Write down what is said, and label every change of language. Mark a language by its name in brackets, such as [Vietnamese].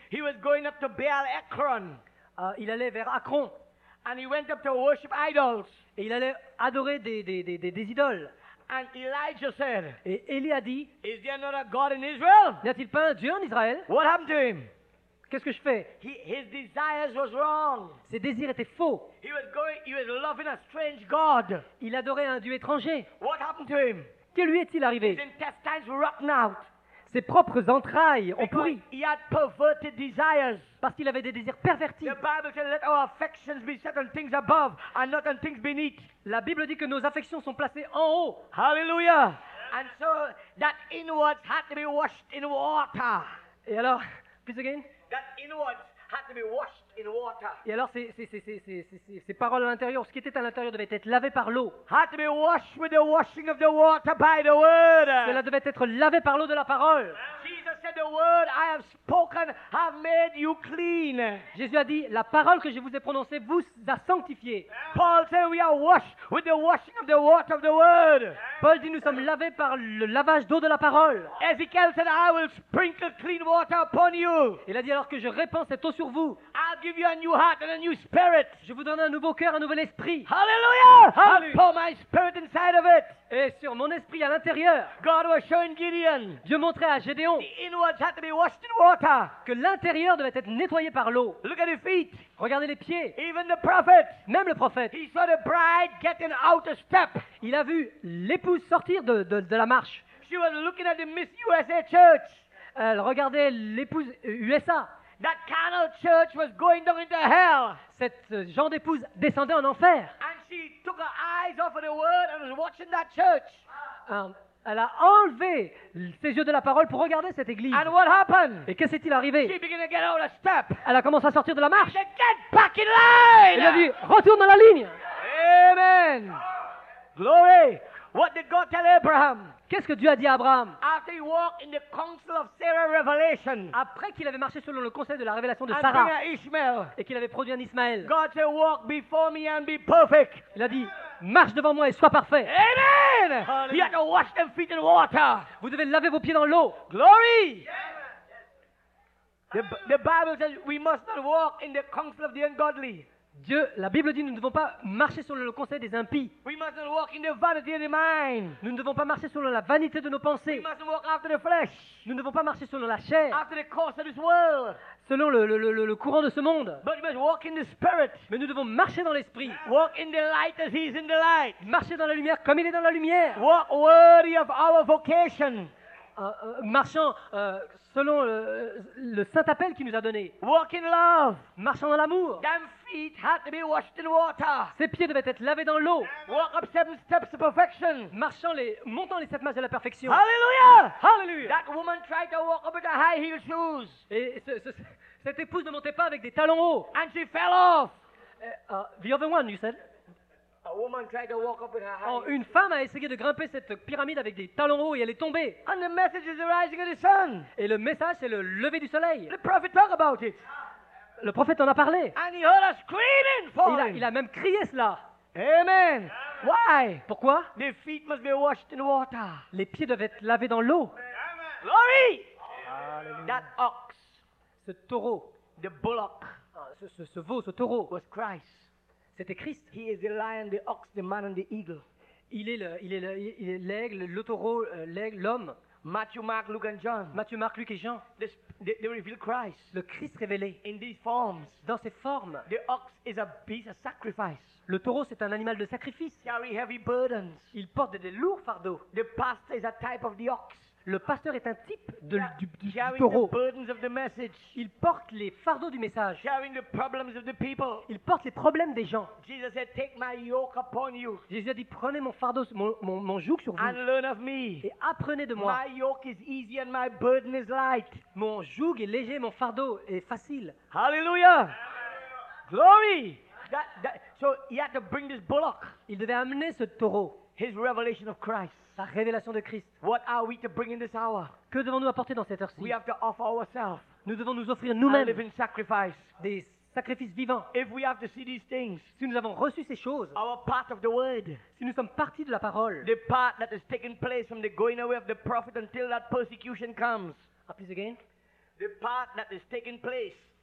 [English] he was going up to Baal Ekron. [French] Il allait vers Akron. [English] And he went up to worship idols. [French] Et il allait adorer des idoles. [English] And Elijah said, [French] et Élie a dit, [English] is there not a God in Israel? [French] N'y a-t-il pas un Dieu en Israël? [English] What happened to him? [French] Qu'est-ce que je fais? [English] His desires was wrong. [French] Ses désirs étaient faux. [English] He was loving a strange God. [French] Il adorait un Dieu étranger. [English] What happened to him? [French] Que lui est-il arrivé? [English] His intestines were rotten out. [French] Ses propres entrailles ont pourri. [English] He had perverted desires. [French] Parce qu'il avait des désirs pervertis. [English] The Bible says, let our affections be set on things above and not on things beneath. [French] La Bible dit que nos affections sont placées en haut. [English] Hallelujah. And so that inwards had to be washed in water. [French] Et alors, [English] please again. That inwards had to be washed in water. [French] Et alors, ces paroles à l'intérieur, ce qui était à l'intérieur devait être lavé par l'eau. [English] Had to be washed with the washing of the water by the word. [French] Cela devait être lavé par l'eau de la parole. [English] Jesus said, the word I have spoken have made you clean. [French] Jésus a dit, la parole que je vous ai prononcée vous a sanctifié. [English] Paul said, we are washed with the washing of the water of the word. [French] Paul dit, nous sommes lavés par le lavage d'eau de la parole. [English] Ezekiel said, I will sprinkle clean water upon you. [French] Il a dit, alors que je répands cette eau sur vous. [English] I'll give you a new heart and a new spirit. [French] Je vous donne un nouveau cœur, un nouvel esprit. [English] Hallelujah! I'll pour my spirit inside of it. [French] Et sur mon esprit à l'intérieur. [English] God was showing Gideon. [French] Dieu montrait à Gédéon. [English] The inwards had to be washed in water. [French] Que l'intérieur devait être nettoyé par l'eau. [English] Look at his feet. [French] Regardez les pieds. [English] Even the prophet. [French] Même le prophète. [English] He saw the bride getting out of step. [French] Il a vu l'épouse sortir de la marche. [English] She was looking at the Miss USA church. [French] Elle regardait l'épouse USA. [English] That carnal church was going down into hell. [French] Cette genre d'épouse descendait en enfer. [English] And she took her eyes off of the word and was watching that church. [French] Elle a enlevé ses yeux de la parole pour regarder cette église. [English] And what happened? [French] Et que s'est-il arrivé? [English] She began to get out of step. [French] Elle a commencé à sortir de la marche. [English] She said, get back in line. [French] Elle a dit, retourne dans la ligne. [English] Amen. Glory. What did God tell Abraham? [French] Qu'est-ce que Dieu a dit à Abraham? [English] After he walked in the council of Sarah revelation. [French] Après qu'il avait marché selon le conseil de la révélation de Sarah. [English] And bring Ishmael. [French] Et qu'il avait produit un Ismaël. [English] God said, walk before me and be perfect. [French] Il a dit, marche devant moi et sois parfait. [English] Amen. You have to wash them feet in water. [French] Vous devez laver vos pieds dans l'eau. [English] Glory. The Bible says we must not walk in the council of the ungodly. [French] Dieu, la Bible dit, nous ne devons pas marcher sur le conseil des impies. [English] We must not walk in the vanity of the mind. [French] Nous ne devons pas marcher sur la vanité de nos pensées. [English] We must not walk after the flesh. [French] Nous ne devons pas marcher sur la chair. [English] After the course of this world. [French] Selon le courant de ce monde. [English] But we must walk in the spirit. [French] Mais nous devons marcher dans l'esprit. [English] Walk in the light as he is in the light. [French] Marcher dans la lumière comme il est dans la lumière. [English] Walk worthy of our vocation. [French] Marchant selon le saint appel qu'il nous a donné. [English] Walk in love. [French] Marchant dans l'amour. [English] Damn feet had to be washed in water. [French] Ses pieds devaient être lavés dans l'eau. [English] Walk up 7 steps to perfection. [French] Montant les 7 marches de la perfection. [English] Hallelujah! Hallelujah! That woman tried to walk up with her high heel shoes. [French] Et cette épouse ne montait pas avec des talons hauts. [English] And she fell off. The other one, you said? A woman tried to walk up with her high heel. [French] Une femme a essayé de grimper cette pyramide avec des talons hauts et elle est tombée. [English] And the message is the rising of the sun. [French] Et le message c'est le lever du soleil. [English] The prophet talked about it. [French] Le prophète en a parlé. [English] And he heard us screaming for him. [French] Il a même crié cela. [English] Amen. Why? [French] Pourquoi? [English] The feet must be washed in water. [French] Les pieds doivent être lavés dans l'eau. [English] Amen. Glory. Amen. That ox. [French] Ce taureau. [English] The bullock. [French] Ce veau, ce taureau. [English] Was Christ. [French] C'était Christ. [English] He is the lion, the ox, the man and the eagle. [French] Il est l'aigle, le taureau, l'aigle, l'homme. [English] Matthew, Mark, Luke and John. [French] Matthieu, Marc, Luc et Jean. [English] They reveal Christ. [French] Le Christ révélé. [English] In these forms. [French] Dans ces formes. [English] The ox is a beast of sacrifice. [French] Le taureau c'est un animal de sacrifice. [English] Carry heavy burdens. [French] Il porte des lourds fardeaux. [English] The pastor is a type of the ox. [French] Le pasteur est un type de, du bureau. [English] The burdens of the message. [French] Il porte les fardeaux du message. [English] Sharing the problems of the people. [French] Il porte les problèmes des gens. [English] Jesus said, take my yoke upon you. [French] Jésus a dit, prenez mon fardeau, mon joug sur vous. [English] And learn of me. [French] Et apprenez de moi. [English] My yoke is easy and my burden is light. [French] Mon joug est léger, mon fardeau est facile. [English] Hallelujah. Glory. So he had to bring this bullock. [French] Il devait amener ce taureau. [English] His revelation of Christ. [French] La révélation de Christ. [English] What are we to bring in this hour? [French] Que devons-nous apporter dans cette heure-ci? [English] We have to offer ourselves. [French] Nous devons nous offrir nous-mêmes. [English] A living sacrifice. [French] Des sacrifices vivants. [English] If we have to see these things, [French] si nous avons reçu ces choses, [English] our part of the word, [French] si nous sommes partie de la parole, [English] the part that has taken place from the going away of the prophet until that persecution comes. Ah, please again. The part that has taken place.